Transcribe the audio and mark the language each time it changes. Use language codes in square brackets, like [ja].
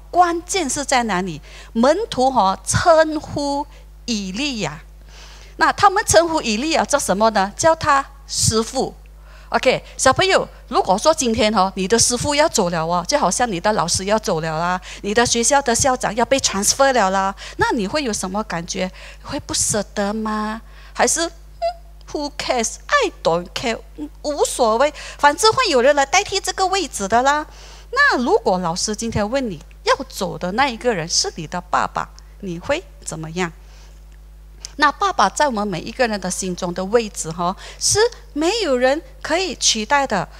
[zh] 关键是在哪里？门徒哦，称呼以利亚，那他们称呼以利亚叫什么呢？叫他师父。OK， 小朋友，如果说今天哦，你的师父要走了哦，就好像你的老师要走了啦，你的学校的校长要被 transfer 了啦，那你会有什么感觉？会不舍得吗？还是 [en] Who cares? I don't care. [zh] 无所谓，反正会有人来代替这个位置的啦。那如果老师今天问你，要走的那一个人是你的爸爸，你会怎么样？那爸爸在我们每一个人的心中的位置哦，是没有人可以取代的。